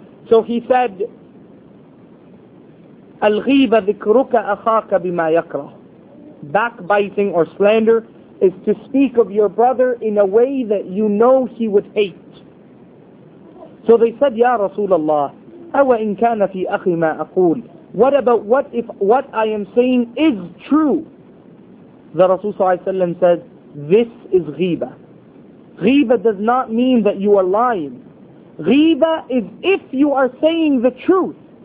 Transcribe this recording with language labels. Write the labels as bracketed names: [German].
[English] So he said, [Arabic] الْغِيبَ ذِكْرُكَ أَخَاكَ بِمَا يَكْرَهُ. [English] Backbiting or slander is to speak of your brother in a way that you know he would hate. So they said, [Arabic] Ya Rasulullah, أَوَ إِن كَانَ فِي أَخِي مَا أَقُولُ. [English] What about, what if what I am saying is true? The Rasul sallallahu alayhi wa sallam says, this is ghiba. Ghiba does not mean that you are lying. Ghiba is if you are saying the truth.